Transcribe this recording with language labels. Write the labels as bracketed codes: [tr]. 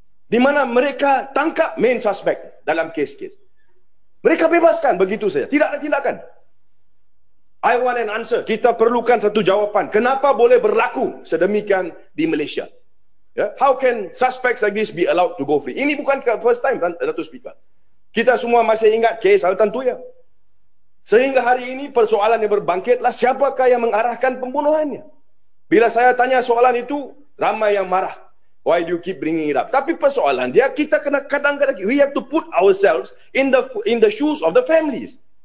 [ms] Di mana mereka tangkap main suspect dalam kes-kes, mereka bebaskan begitu saja, tidak ada tindakan. [en] I want an answer. [ms] Kita perlukan satu jawapan. Kenapa boleh berlaku sedemikian di Malaysia? Yeah. [en] How can suspects like this be allowed to go free? [ms] Ini bukan [en] first time, [ms] Dato' Speaker. Kita semua masih ingat kes Sultan Tuya. Sehingga hari ini persoalan yang berbangkitlah, siapakah yang mengarahkan pembunuhannya? Bila saya tanya soalan itu, ramai yang marah. [en] Why do you keep bringing it up? [ms] Tapi persoalan dia, kita kena kadang-kadang, [en] we have to put ourselves in the shoes of the families.